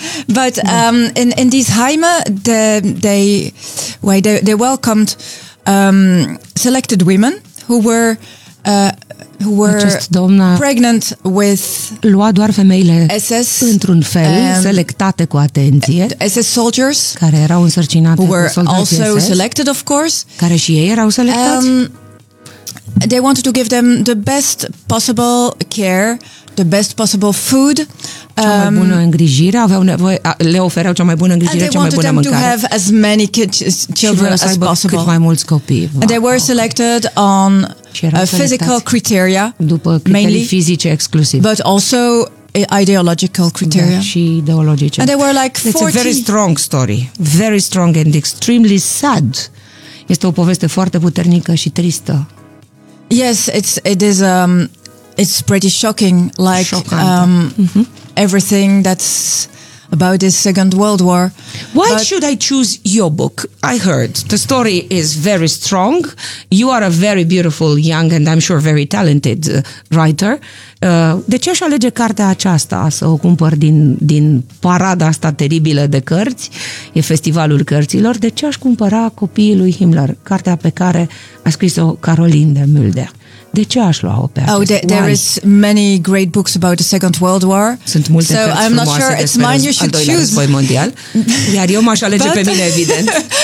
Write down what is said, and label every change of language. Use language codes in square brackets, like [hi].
[en] But in this Heime, they welcomed selected women who were pregnant with [ro] lua doar femeile SS într-un fel selectate cu atenție [en] SS soldiers [ro] care erau însărcinate [en] who were [ro] cu soldații [en] also SS, selected of course [ro] care și ei erau selectați. [en] They wanted to give them the best possible care, the best possible food. [ro] Cea mai bună îngrijire, aveau nevoie, le ofereau cea mai bună îngrijire, cea mai bună mâncare. [en] And they wanted them to have as many kids, children as possible. [ro] Cât mai mulți copii. [en] And they were selected on physical criteria, [ro] după criterii [en] mainly, [ro] fizice exclusiv. [en] But also ideological criteria. [ro] Da, și ideologice. [en] And they were like 40. It's a very strong story, very strong and extremely sad. [ro] Este o poveste foarte puternică și tristă. [en] Yes, it is it's pretty shocking, like everything that's about this Second World War. Why should I choose your book? I heard the story is very strong. You are a very beautiful young and I'm sure very talented writer. [ro] De ce aș alege cartea aceasta să o cumpăr din parada asta teribilă de cărți? E festivalul cărților. De ce aș cumpăra copiii lui Himmler? Cartea pe care a scris-o Caroline de Mulder. De ce aș lua-o pe acest? [en] Oh, there is many great books about the Second World War. [ro] Sunt multe [en] so [ro] cărți [en] I'm not sure it's mine you should choose. [ro] Război mondial. Iar eu m-aș alege pe mine, evident.